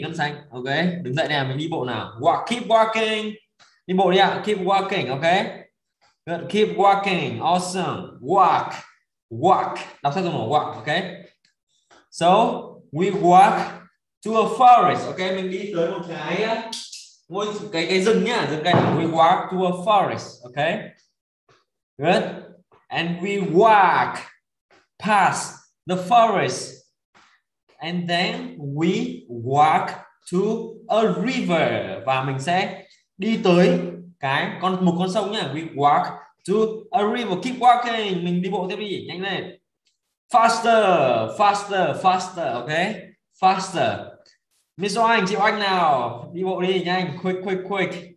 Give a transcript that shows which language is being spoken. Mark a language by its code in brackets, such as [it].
[en] Ngân Khánh. Ok. [vi] Đứng dậy nè. Mình đi bộ nào. [en] Walk. Keep walking. [vi] Đi bộ đi ạ. [en] Keep walking. Ok. Good. Keep walking. Awesome. Walk. Walk. [vi] Đọc sách dùng một [en] walk. Ok. So, we walk to a forest. Ok. [vi] Mình đi tới một cái ngôi cái rừng nhá. Rừng cây. [en] We walk to a forest. Ok. Good. And we walk past the forest, and then we walk to a river. [vi] Và mình sẽ đi tới cái con một con sông nhá. [en] We walk to a river. Keep walking. [vi] Mình đi bộ tiếp đi, nhanh lên. [en] Faster, faster, faster. Okay, faster. [vi] Miss Oanh, chị Oanh nào, đi bộ đi nhanh, [en] quick, quick, quick.